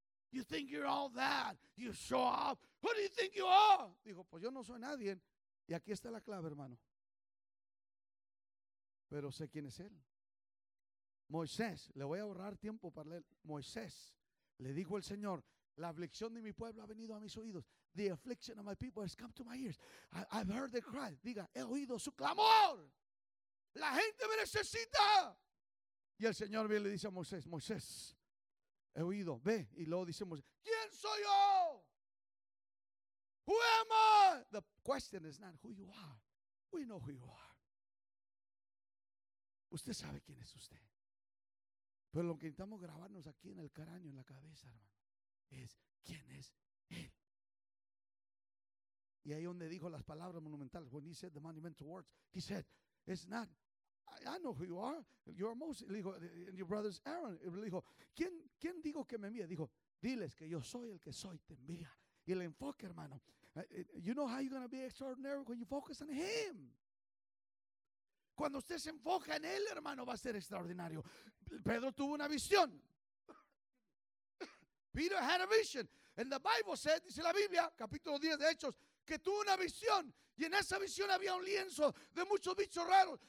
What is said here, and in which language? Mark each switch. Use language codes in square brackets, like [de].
[en] You think you're all that? You show up. Who do you think you are? [es] Dijo, pues yo no soy nadie. Y aquí está la clave, hermano. Pero sé quién es él. Moisés, le voy a ahorrar tiempo para leer. Moisés, le dijo el Señor, la aflicción de mi pueblo ha venido a mis oídos. [en] The affliction of my people has come to my ears. I've heard the cry. [es] Diga, he oído su clamor. La gente me necesita. Y el Señor viene y le dice a Moisés, Moisés, he oído, ve. Y luego dice Moisés, ¿quién soy yo? [en] Who am I? The question is not who you are. We know who you are. [es] Usted sabe quién es usted. Pero lo que necesitamos grabarnos aquí en el cráneo, en la cabeza, hermano, es quién es él. Y ahí donde dijo las palabras monumentales, [en] when he said the monumental words, he said, it's not, I know who you are, you're Moses, [es] le dijo, [en] and your brother's Aaron. [es] Y le dijo, ¿quién digo que me envía? Dijo, diles que yo soy el que soy, te envía. Y el enfoque, hermano, [en] you know how you're going to be extraordinary when you focus on him. [es] Cuando usted se enfoca en él, hermano, va a ser extraordinario. Pedro tuvo una visión. [en] Peter had a vision. And the Bible said, [es] dice la Biblia, capítulo 10 de Hechos, que tuvo una visión. Y en esa visión había un lienzo de muchos bichos raros.